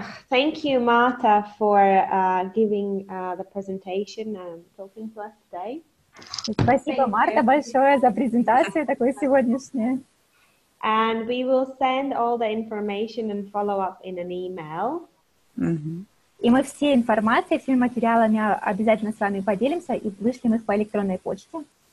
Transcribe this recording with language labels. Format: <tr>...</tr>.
<en>Thank you, Marta, for giving the presentation and talking to us today.</en> <ru>Спасибо, Марта, большое за презентацию такой сегодняшней.</ru> <en>And we will send all the information and follow up in an email.</en> <ru>И мы все информации, все материалами обязательно с вами поделимся и вышлем их по электронной почте.</ru>